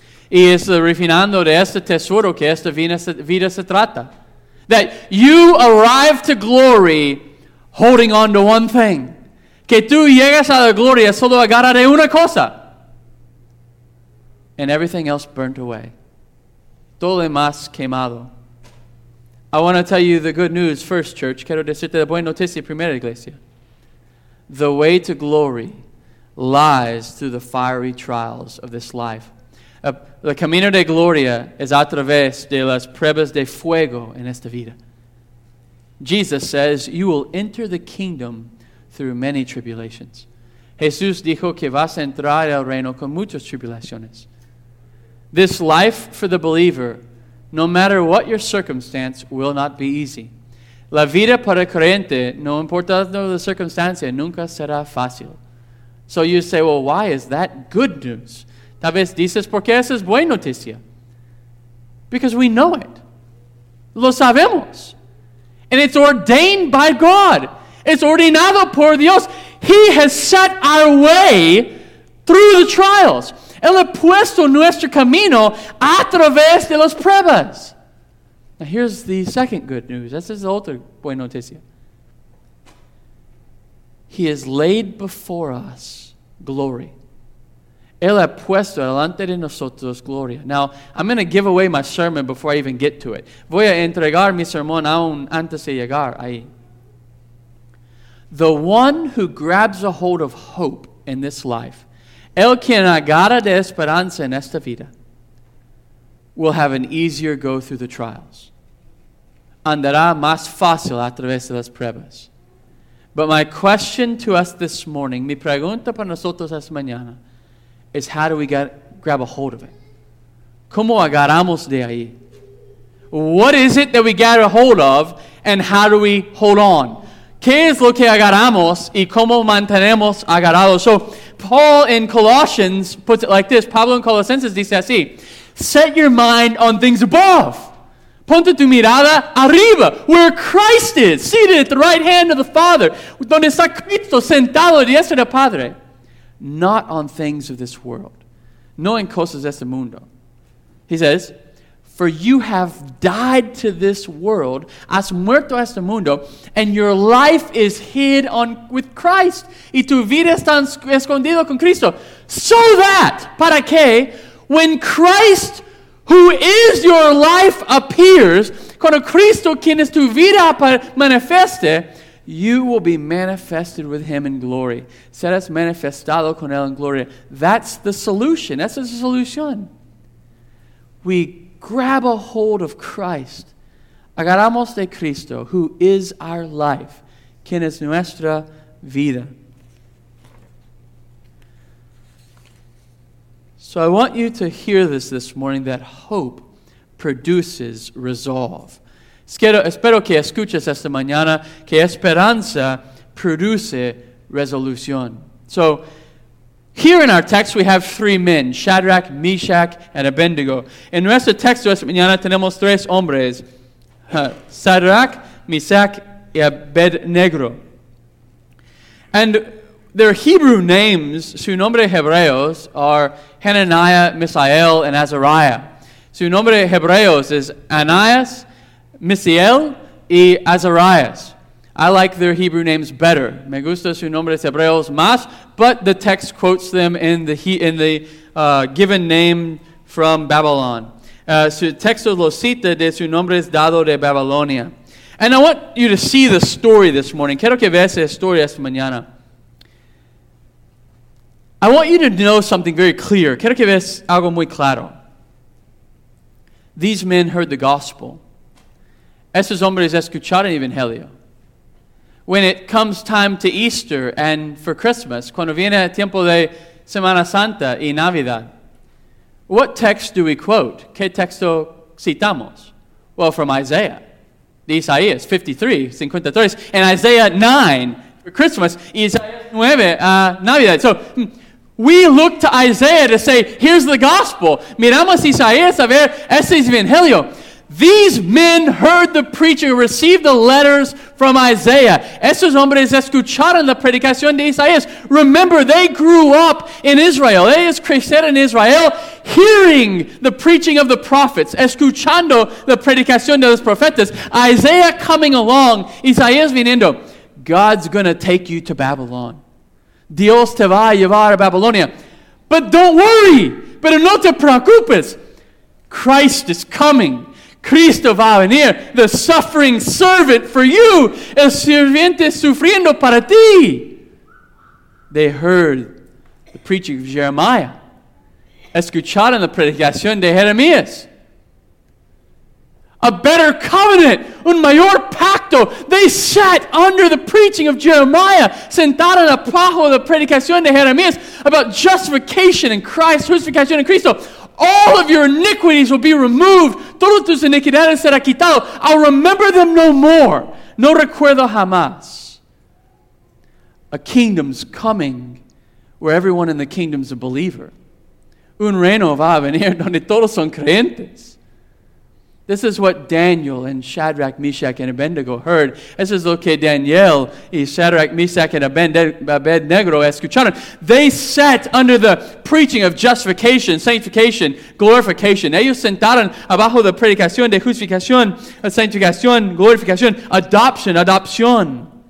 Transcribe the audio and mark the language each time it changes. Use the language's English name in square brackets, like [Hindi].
[Spanish] Y es el refinando de este tesoro que esta vida se trata. [English] That you arrive to glory holding on to one thing. [Spanish] Que tú llegas a la gloria solo agarra de una cosa. [English] And everything else burnt away. [Spanish] Todo lo demás quemado. [English] I want to tell you the good news first, church. [Spanish] Quiero decirte la buena noticia primera, iglesia. [English] The way to glory lies through the fiery trials of this life. [Spanish] El camino de gloria es a través de las pruebas de fuego en esta vida. [English] Jesus says, you will enter the kingdom through many tribulations. [Spanish] Jesús dijo que vas a entrar al reino con muchas tribulaciones. [English] This life for the believer, no matter what your circumstance, will not be easy. [Spanish] La vida para creyente, no importa la circunstancia, nunca será fácil. [English] So you say, well, why is that good news? [Spanish] Tal vez dices, porque esa es buena noticia. [English] Because we know it. [Spanish] Lo sabemos. [English] And it's ordained by God. It's [Spanish] ordenado por Dios. [English] He has set our way through the trials. [Spanish] Él ha puesto nuestro camino a través de las pruebas. [English] Now here's the second good news. This is the other [Spanish] buena noticia. [English] He has laid before us glory. [Spanish] Él ha puesto delante de nosotros gloria. [English] Now, I'm going to give away my sermon before I even get to it. [Spanish] Voy a entregar mi sermón aún antes de llegar ahí. [English] The one who grabs a hold of hope in this life, [Spanish] el quien agarra de esperanza en esta vida, [English] will have an easier go through the trials. [Spanish] Andará más fácil a través de las pruebas. [English] But my question to us this morning, [Spanish] mi pregunta para nosotros esta mañana, [English] is how do we grab a hold of it? [Spanish] ¿Cómo agarramos de ahí? [English] What is it that we get a hold of and how do we hold on? [Spanish] ¿Qué es lo que agarramos y cómo mantenemos agarrado? [English] So, Paul in Colossians puts it like this. [Spanish] Pablo in Colossenses dice así. [English] Set your mind on things above. [Spanish] Ponte tu mirada arriba, [English] where Christ is, seated at the right hand of the Father. [Spanish] Donde está Cristo, sentado a diestra del Padre. [English] Not on things of this world. [Spanish] No en cosas de este mundo. [English] He says, for you have died to this world, [Spanish] has muerto a este mundo, [English] and your life is hid on with Christ. [Spanish] Y tu vida está escondido con Cristo. [English] So that, [Spanish] para que, [English] when Christ, who is your life, appears, [Spanish] cuando Cristo, quien es tu vida, manifieste, [English] you will be manifested with him in glory. [Spanish] Serás manifestado con él en gloria. [English] That's the solution. That's the solution. We grab a hold of Christ. [Spanish] Agarramos de Cristo, [English] who is our life, [Spanish] quien es nuestra vida. [English] So I want you to hear this morning, that hope produces resolve. [Spanish] Espero que escuches esta mañana que esperanza produce resolución. [English] So, here in our text, we have three men, Shadrach, Meshach, and Abednego. [Spanish] En nuestro texto esta mañana tenemos tres hombres, Shadrach, Meshach, y Abednego. [English] And their Hebrew names, [Spanish] su nombre hebreos, [English] are Hananiah, Misael, and Azariah. [Spanish] Su nombre hebreos [English] is [Spanish] Ananias, Misael y Azarias. [English] I like their Hebrew names better. [Spanish] Me gusta su nombre de hebreos más, [English] but the text quotes them in the given name from Babylon. [Spanish] Su texto lo cita de su nombre es dado de Babilonia. [English] And I want you to see the story this morning. [Spanish] Quiero que veas la historia esta mañana. [English] I want you to know something very clear. [Spanish] Quiero que veas algo muy claro. [English] These men heard the gospel. [Spanish] Esos hombres escucharon el Evangelio. [English] when it comes time to Easter and for Christmas, [Spanish] cuando viene tiempo de Semana Santa y Navidad, [English] what text do we quote? [Spanish] ¿Qué texto citamos? [English] Well, from Isaiah, [Spanish] Isaías 53, [English] and Isaiah 9 for Christmas, [Spanish] Isaías 9, Navidad. [English] So, we look to Isaiah to say, here's the gospel. [Spanish] Miramos Isaías, a ver, este es Evangelio. [English] These men heard the preacher, received the letters from Isaiah. [Spanish] Esos hombres escucharon la predicación de Isaías. [English] Remember, they grew up in Israel. [Spanish] Ellos crecieron en Israel, [English] hearing the preaching of the prophets, [Spanish] escuchando la predicación de los profetas. [English] Isaiah coming along, [Spanish] Isaías viniendo. [English] God's going to take you to Babylon. [Spanish] Dios te va a llevar a Babilonia. [English] But don't worry. [Spanish] Pero no te preocupes. [English] Christ is coming. [Spanish] Cristo va a venir. [English] The suffering servant for you. [Spanish] El sirviente sufriendo para ti. [English] They heard the preaching of Jeremiah. [Spanish] Escucharon la predicación de Jeremías. [English] A better covenant, [Spanish] un mayor pacto. [English] They sat under the preaching of Jeremiah, [Spanish] sentaron bajo la predicación de Jeremías [English] about justification in Christ, [Spanish] justificación en Cristo. [English] All of your iniquities will be removed. [Spanish] Todas tus iniquidades serán quitadas. [English] I'll remember them no more. [Spanish] No recuerdo jamás. [English] A kingdom's coming where everyone in the kingdom's a believer. [Spanish] Un reino va a venir donde todos son creyentes. [English] This is what Daniel and Shadrach, Meshach, and Abednego heard. This is [Spanish] lo que Daniel y Shadrach, Meshach, and Abednego escucharon. [English] They sat under the preaching of justification, sanctification, glorification. [Spanish] Ellos sentaron abajo de predicación de justificación, sanctificación, glorificación, adoption, adopción.